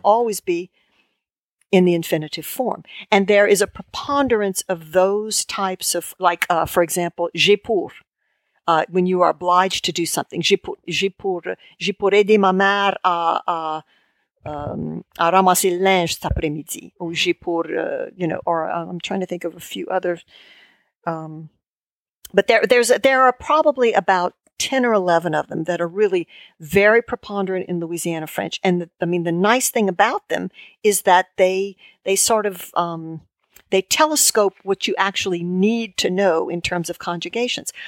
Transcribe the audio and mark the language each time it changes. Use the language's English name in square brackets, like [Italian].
[English] going to always be in the infinitive form. And there is a preponderance of those types of, like, for example, [French] j'ai pour, [English] when you are obliged to do something. [French] J'ai pour aider ma mère à ramasser linge cet après-midi. Ou j'ai pour, [English] I'm trying to think of a few other. But there are probably about 10 or 11 of them that are really very preponderant in Louisiana French. And the nice thing about them is that they telescope what you actually need to know in terms of conjugations.